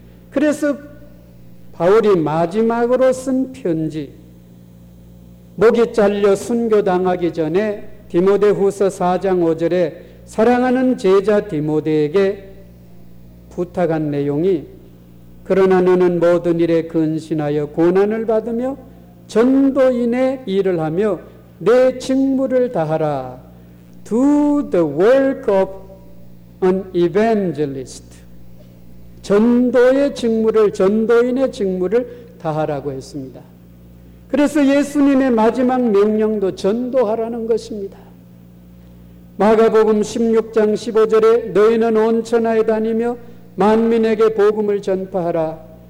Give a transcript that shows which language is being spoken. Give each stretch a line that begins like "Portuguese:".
Korean: 그래서 바울이 마지막으로 쓴 편지 목이 잘려 순교당하기 전에 디모데후서 4장 5절에 사랑하는 제자 디모데에게 부탁한 내용이 그러나 너는 모든 일에 근신하여 고난을 받으며 전도인의 일을 하며 내 직무를 다하라.
English: Do the work of an evangelist.
Korean: 전도의 직무를, 전도인의 직무를 다하라고 했습니다. 그래서 예수님의 마지막 명령도 전도하라는 것입니다. 마가복음 16장 15절에 너희는 온 천하에 다니며 만민에게 복음을 전파하라.